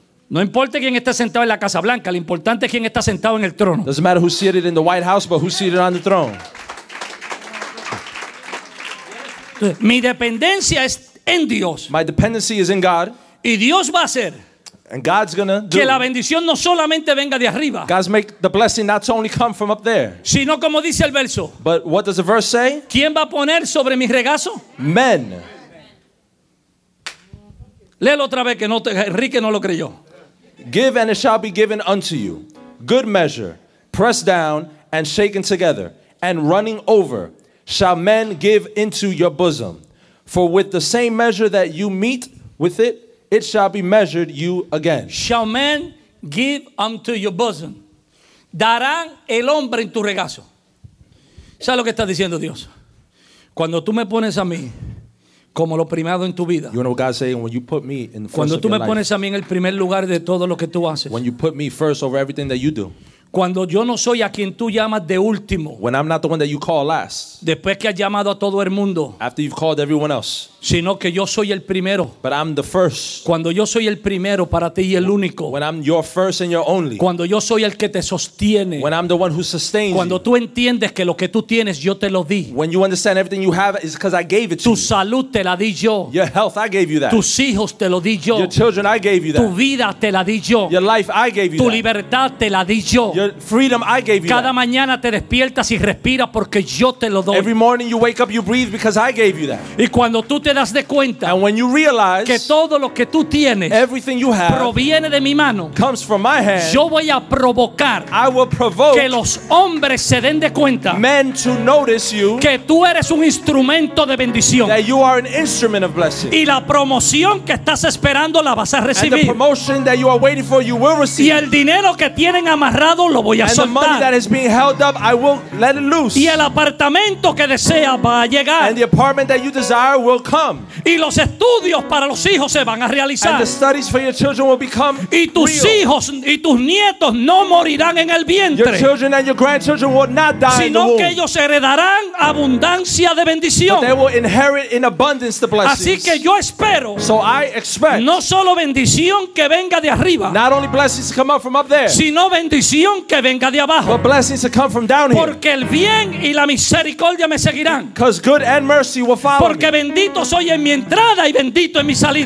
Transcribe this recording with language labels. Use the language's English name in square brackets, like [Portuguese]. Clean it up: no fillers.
[Spanish] No importa quién esté sentado en la Casa Blanca, lo importante es quién está sentado en el trono. [English] Doesn't matter who's seated in the White House, but who's seated on the throne. [Spanish] Mi dependencia es en Dios. [English] My dependency is in God. [Spanish] Y Dios va a hacer. [English] And God's gonna do. [Spanish] Que la bendición no solamente venga de arriba. [English] God's make the blessing not only come from up there. [Spanish] Sino como dice el verso. [English] But what does the verse say? [Spanish] ¿Quién va a poner sobre mi regazo? [English] Men. [Spanish] Léelo otra vez que no Enrique no lo creyó. [English] Give and it shall be given unto you. Good measure, pressed down and shaken together, and running over, shall men give into your bosom. For with the same measure that you meet with it, it shall be measured you again. Shall men give unto your bosom? [Spanish] Darán el hombre en tu regazo. ¿Sabes lo que está diciendo Dios? Cuando tú me pones a mí como lo primado en tu vida. [English] You know what God's saying? When you put me in the first of your life. [Spanish] Cuando tú me pones a mí en el primer lugar de todo lo que tú haces. [English] When you put me first over everything that you do. [Spanish] Cuando yo no soy a quien tú llamas de último. [English] When I'm not the one that you call last. [Spanish] Después que has llamado a todo el mundo. [English] After you've called everyone else. [Spanish] Sino que yo soy el primero. [English] But I'm the first. [Spanish] Cuando yo soy el primero para ti y el único. [English] When I'm your first and your only. [Spanish] Cuando yo soy el que te sostiene. [English] When I'm the one who sustains you. [Spanish] Cuando tú entiendes que lo que tú tienes yo te lo di. [English] When you understand everything you have is because I gave it to [Spanish] tu [English] you. [Spanish] Tu salud te la di yo. [English] Your health I gave you that. [Spanish] Tus hijos te lo di yo. [English] Your children I gave you that. [Spanish] Tu vida te la di yo. [English] Your life I gave you [Spanish] tu Tu libertad te la di yo. [English] Your freedom I gave you. [Spanish] Cada [English] that. [Spanish] Mañana te despiertas y respiras porque yo te lo doy. [English] Every morning you wake up you breathe because I gave you that. [Spanish] Y cuando tú te te das de cuenta, [English] and when you realize [Spanish] que todo lo que tú tienes, [English] everything you have, [Spanish] proviene de mi mano, [English] comes from my hand, [Spanish] yo voy a provocar, [English] I will provoke, [Spanish] que los hombres se den de cuenta, [English] men to notice you, [Spanish] que tú eres un instrumento de bendición, [English] that you are an instrument of blessing, [Spanish] y la promoción que estás esperando la vas a recibir, [English] and the promotion that you are waiting for, you will receive, [Spanish] y el dinero que tienen amarrado lo voy a [English] and [Spanish] soltar, [English] and the money that is being held up, I will let it loose, [Spanish] y el apartamento que desea va a llegar, [English] and the apartment that you desire will come, [Spanish] y los estudios para los hijos se van a realizar, [English] and the studies for your children will become [Spanish] y tus [English] real. [Spanish] Hijos y tus nietos no morirán en el vientre, [English] your children and your grandchildren will not die, [Spanish] sino que ellos heredarán abundancia de bendición, [English] but they will inherit in abundance the blessings. [Spanish] Así que yo espero, [English] so I expect, [Spanish] no solo bendición que venga de arriba, [English] not only blessings to come up from up there, [Spanish] sino bendición que venga de abajo, [English] but blessings to come from down here, [Spanish] porque el bien y la misericordia me seguirán, [English] because good and mercy will follow me, [Spanish] porque bendito soy en mi entrada y bendito en mi salida,